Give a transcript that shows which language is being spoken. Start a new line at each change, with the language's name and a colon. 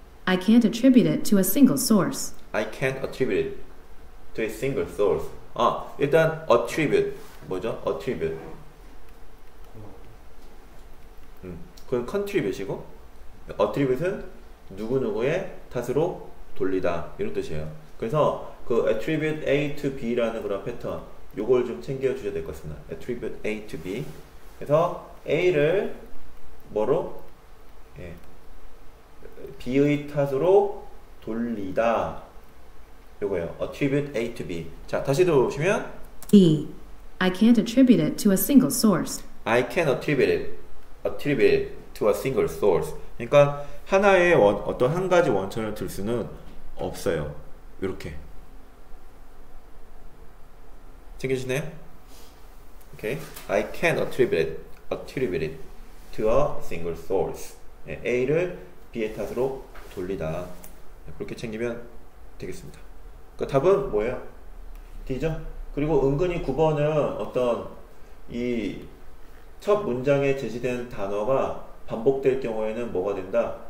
English: I can't attribute it to a single source. I can't attribute it to a single source.
Korean: 아, 일단 attribute. 뭐죠? Attribute. 그건 contribute이고 attribute은 누구누구의 탓으로 돌리다 이런 뜻이에요. 그래서 그 attribute A to B라는 그런 패턴 요걸 좀 챙겨주셔야 될 것 같습니다. attribute A to B. 그래서 A를 뭐로? 예. B의 탓으로 돌리다 요거예요. attribute A to B. 자, 다시 들어보시면
English: E. I can't attribute it to a single source. I can't attribute it. Attribute to a single source.
Korean: 그러니까 하나의 어떤 한 가지 원천을 들 수는 없어요. 이렇게 챙겨주시네요.
English: Okay. I can't attribute it to a single source.
Korean: 네, A를 B의 탓으로 돌리다. 네, 그렇게 챙기면 되겠습니다. 그 답은 뭐예요? D죠? 그리고 은근히 9번은 어떤 이 첫 문장에 제시된 단어가 반복될 경우에는 뭐가 된다?